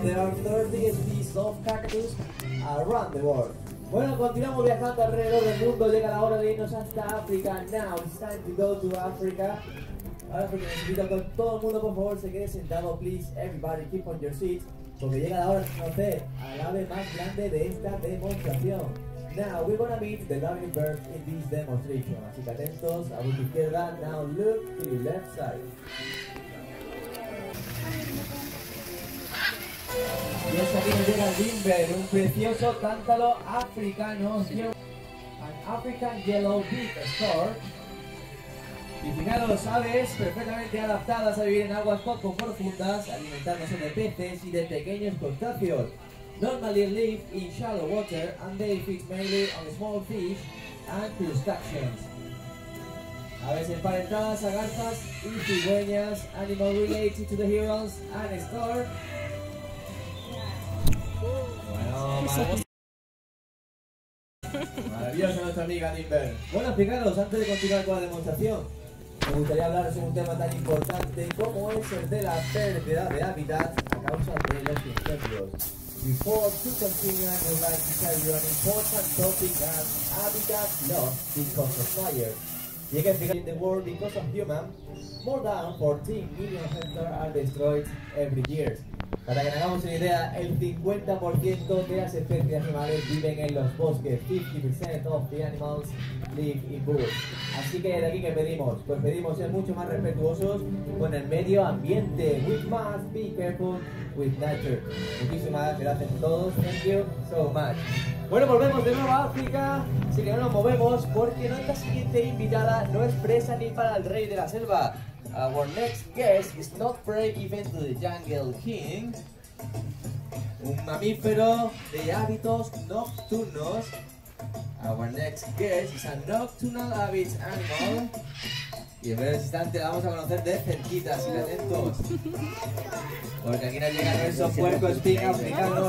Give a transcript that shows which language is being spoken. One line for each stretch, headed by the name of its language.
English: There are 30 species of cactus around the world.
Spanish: Bueno, continuamos viajando alrededor del mundo, llega la hora de irnos hasta África.
English: Now it's time to go to Africa.
Spanish: Ahora porque les invito a que todo el mundo, por favor, se quede sentado,
English: please, everybody, keep on your seats,
Spanish: porque llega la hora de conocer al ave más grande de esta demostración.
English: Now we're gonna meet the dominant bird in this demonstration.
Spanish: Así que atentos, a vuestra izquierda,
English: now look to your left side.
Spanish: Y es aquí nos llega el Dimber, un precioso tántalo africano.
English: An African Yellow Beak Stork.
Spanish: Y fijaros, aves perfectamente adaptadas a vivir en aguas poco profundas, alimentándose de peces y de pequeños crustáceos.
English: Normally live in shallow water and they feed mainly on small fish and crustaceans.
Spanish: Aves emparentadas a garzas y cigüeñas,
English: animal related to the herons and stork.
Spanish: Maravillosa nuestra amiga Nimber. Bueno, fijaros, antes de continuar con la demostración, me gustaría hablaros de un tema tan importante como es el de la pérdida de hábitat a causa de los incendios.
English: Before to continue, I would like to tell you an important topic as habitat loss because of fire.
Spanish: Y es que fijaros,
English: in the world because of human, more than 14 million hectares are destroyed every year.
Spanish: Para que hagamos una idea, el 50% de las especies animales viven en los bosques.
English: 50% of the animals live in bush.
Spanish: Así que, ¿de aquí qué pedimos? Pues pedimos ser mucho más respetuosos con el medio ambiente.
English: We must be careful with nature.
Spanish: Muchísimas gracias a todos.
English: Thank you so much.
Spanish: Bueno, volvemos de nuevo a África. Así que no nos movemos porque nuestra siguiente invitada no es presa ni para el rey de la selva.
English: Our next guest is not prey even to the jungle king.
Spanish: Un mamífero de hábitos nocturnos.
English: Our next guest is a nocturnal avid animal.
Spanish: Y en breve instante la vamos a conocer de cerquita, así que atentos. Porque aquí nos llega nuestro puerco espín africano.